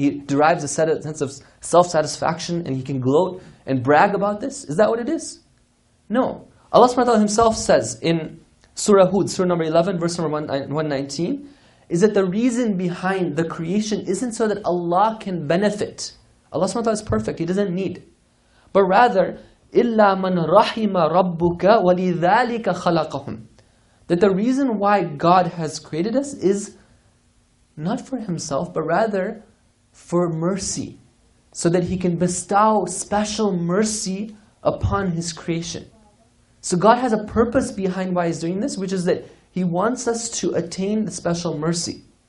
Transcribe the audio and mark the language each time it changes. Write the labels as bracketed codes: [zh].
[en] He derives a sense of self-satisfaction, and he can gloat and brag about this. Is that what it is? No. Allah subhanahu wa ta'ala Himself says in Surah Hud, Surah number 11, verse number 119, is that the reason behind the creation isn't so that Allah can benefit. Allah subhanahu wa ta'ala is perfect. He doesn't need. But rather, [ar] إِلَّا مَنْ رَحِمَ رَبُّكَ وَلِذَٰلِكَ خَلَقَهُمْ. [en] That the reason why God has created us is not for Himself, but rather for mercy, so that He can bestow special mercy upon His creation. So God has a purpose behind why He's doing this, which is that He wants us to attain the special mercy.